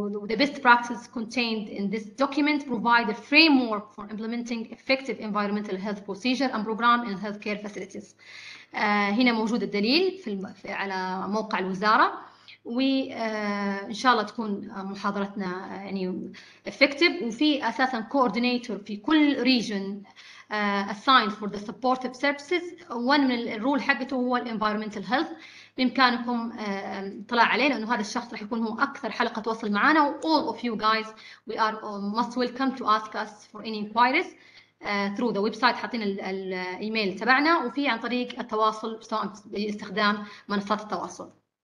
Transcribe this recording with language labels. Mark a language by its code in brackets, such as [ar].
[en] The best practices contained in this document provide a framework for implementing effective environmental health procedure and program in healthcare facilities. [ar] هنا موجود الدليل في على موقع الوزارة. وإن شاء الله تكون محاضرتنا يعني effective. وفي أساساً [en] coordinator في كل region assigned for the supportive services. [ar] One من الرول حقته هو [en] environmental health. [ar] بإمكانكم اطلاع عليه لأنه هذا الشخص راح يكون هو أكثر حلقة تواصل معنا. [en] All of you guys, we are most welcome to ask us for any inquiries through the website. [ar] حاطين الإيميل تبعنا وفي عن طريق التواصل سواء باستخدام منصات التواصل.